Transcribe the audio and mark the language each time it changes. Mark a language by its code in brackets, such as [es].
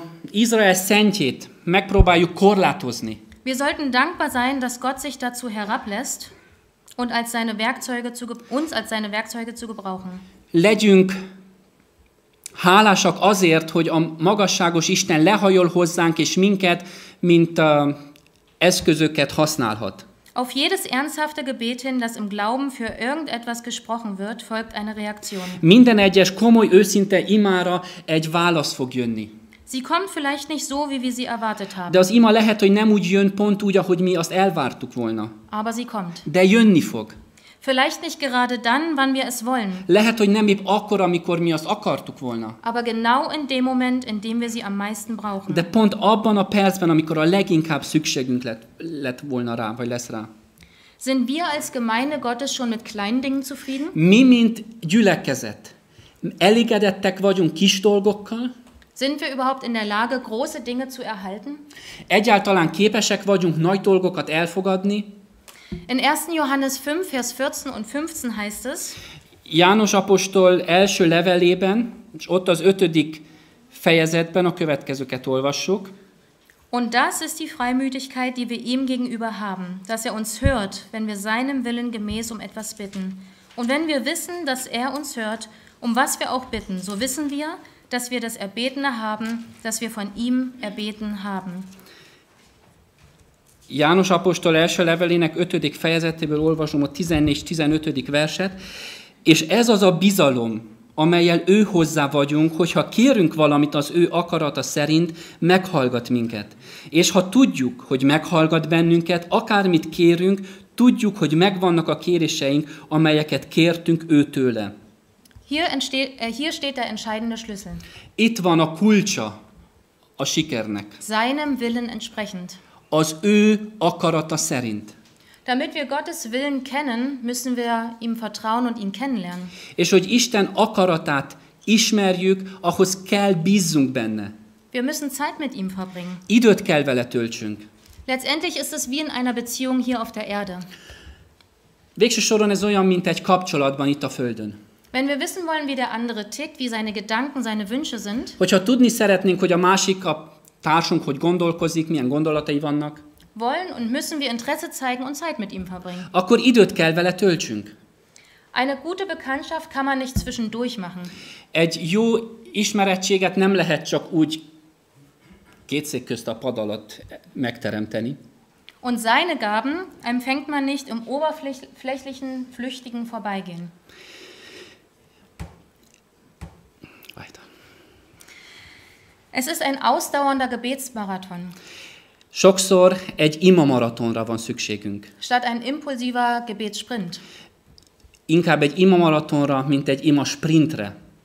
[hu] Izrael szentjét megpróbáljuk korlátozni. [de] Wir sollten dankbar sein, dass Gott sich dazu herablässt und als seine Werkzeuge uns als seine Werkzeuge zu gebrauchen. [hu] Legyünk hálásak azért, hogy a magasságos Isten lehajol hozzánk és minket, mint eszközöket használhat. [de] Auf jedes ernsthafte Gebet hin, das im Glauben für irgendetwas gesprochen wird, folgt eine Reaktion. [hu] Minden egyes komoly őszinte imára egy válasz fog jönni. [de] Sie kommt vielleicht nicht so, wie wir sie erwartet haben. [hu] De az ima lehet, hogy nem úgy jön, pont úgy, ahogy mi azt elvártuk volna. [de] Aber sie kommt. [hu] De jönni fog. [de] Vielleicht nicht gerade dann, wann wir es wollen. [hu] Lehet, hogy nem épp akkor, amikor mi azt akartuk volna. [de] Aber genau in dem Moment, in dem wir sie am meisten brauchen. [hu] De pont abban a percben, amikor a leginkább szükségünk lett volna rá, vagy lesz rá. [de] Sind wir als Gemeinde Gottes schon mit kleinen Dingen zufrieden? [hu] Mi, mint gyülekezet, elégedettek vagyunk kis dolgokkal? [de] Sind wir überhaupt in der Lage, große Dinge zu erhalten? [hu] Egyáltalán képesek vagyunk nagy dolgokat elfogadni? [de] In 1. Johannes 5, Vers 14 und 15 heißt es, [hu] János apostol első levelében, és ott az 5. fejezetben a következőket olvassuk. [de] Und das ist die Freimütigkeit, die wir ihm gegenüber haben, dass er uns hört, wenn wir seinem Willen gemäß um etwas bitten. Und wenn wir wissen, dass er uns hört, um was wir auch bitten, so wissen wir, dass wir das Erbetene haben, das wir von ihm erbeten haben. [hu] János apostol első levelének 5. fejezetéből olvasom a 14-15. Verset, és ez az a bizalom, amellyel ő hozzá vagyunk, hogyha kérünk valamit az ő akarata szerint, meghallgat minket. És ha tudjuk, hogy meghallgat bennünket, akármit kérünk, tudjuk, hogy megvannak a kéréseink, amelyeket kértünk ő tőle. [de] Hier steht der entscheidende Schlüssel. [hu] Itt van a kulcsa a sikernek. [de] Seinem Willen entsprechend. [hu] Az ő akarata szerint. [de] Damit wir Gottes Willen kennen, müssen wir ihm vertrauen und ihn kennenlernen. [hu] És hogy Isten akaratát ismerjük, ahhoz kell bízzunk benne. [de] Wir müssen Zeit mit ihm verbringen. [hu] Időt kell vele töltsünk. [de] Letztendlich ist es wie in einer Beziehung hier auf der Erde. [hu] Végső soron ez olyan, mint egy kapcsolatban itt a Földön. [de] Wenn wir wissen wollen, wie der andere tickt, wie seine Gedanken, seine Wünsche sind. [hu] Hogyha tudni szeretnénk, hogy a másik a társunk, hogy gondolkozik, milyen gondolatai vannak. [de] Wollen und müssen wir Interesse zeigen und Zeit mit ihm verbringen. [hu] Akkor időt kell vele töltsünk. [de] Eine gute Bekanntschaft kann man nicht zwischendurch machen. [hu] Egy jó ismerettséget nem lehet csak úgy két szék közt a pad alatt megteremteni. [de] Und seine Gaben empfängt man nicht im oberflächlichen, flüchtigen Vorbeigehen. Weiter. Es ist ein ausdauernder Gebetsmarathon. [hu] Sokszor egy imamaratonra van szükségünk. [de] Statt ein impulsiver Gebetssprint. [hu] Inkább egy imamaratonra, mint egy imasprintre.